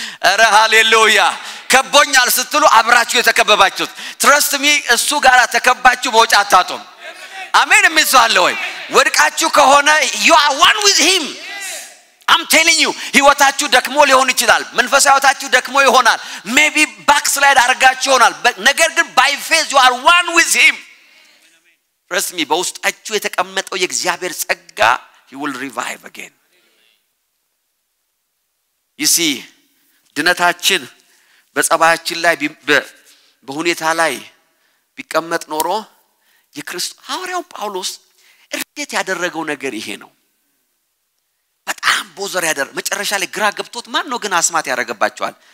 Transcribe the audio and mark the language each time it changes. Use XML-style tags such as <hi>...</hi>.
<am>አረ ሃሌሉያ ከቦኛል ስትሉ አብራችሁ የተከበባችሁት ትረስት ሚ እሱ ጋራ ተከባችሁ መውጫ አታጡም አሜን እንምሳለሁ ወይ ወድቃችሁ ከሆነ</am> <en>you are one with him I'm telling you</en> <am>ህይወታችሁ ደክሞ ሊሆን ይችላል መንፈሳዊታችሁ ደክሞ ይሆናል maybe backslide አርጋችሁ ይሆናል ነገር ግን</am> <en>by faith you are one with him Trust me,</en> <am>በውስጣችሁ የተቀመጠው የእግዚአብሔር ጸጋ,</am> <en>he will revive again.</en> <am>You see, ድነታችን በጸባያችን ላይ በሁኔታ ላይ ቢቀመጥ ኖሮ የክርስቶስ ሐዋርያው ጳውሎስ እርግጥ ያደረገው ነገር ይሄ ነው። በጣም ቦዘር ያደረ መጨረሻ ላይ ግራ ገብቶት ማን ነው ግን አስማት ያረጋባቸዋል?</am>